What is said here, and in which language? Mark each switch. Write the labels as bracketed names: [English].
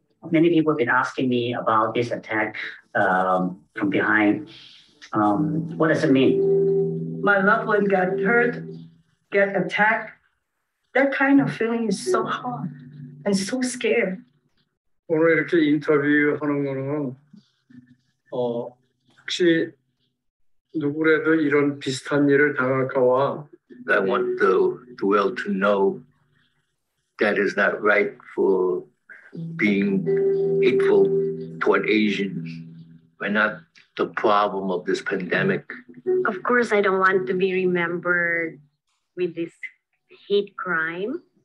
[English] Many people have been asking me about this attack from behind. What does it mean? My loved one got hurt, get attacked. That kind of feeling is so hard and so scared. [Korean] 오늘 이렇게 인터뷰 하는 거는 혹시 누구라도 이런 비슷한 일을 당할까봐. [English] I want the world to know that is not right for being hateful toward Asians. We're not the problem of this pandemic. Of course, I don't want to be remembered with this hate crime.